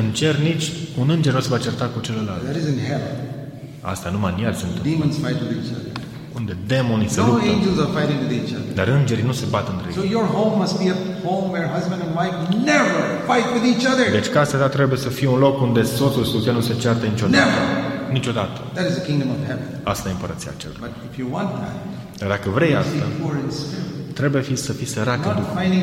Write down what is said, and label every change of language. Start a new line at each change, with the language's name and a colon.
Romanian: În cer nici un înger nu se va certa cu celălalt.
English: That is in hell.
Romanian: Asta numai în iad se întâmplă.
English: Demons fight with each other.
Romanian: Unde demonii se
English: no
Romanian: luptă.
English: No angels are fighting with each other.
Romanian: Dar îngerii nu se bat între ei.
English: So your home must be a home where husband and wife never fight with each other.
Romanian: Deci casa ta trebuie să fie un loc unde soțul și soția nu se ceartă niciodată.
English: Never.
Romanian: Niciodată.
English: That is the kingdom of heaven.
Romanian: Asta e împărăția cerului.
English: But if you want that,
Romanian: dar dacă vrei asta, trebuie să fii sărac în Duhul.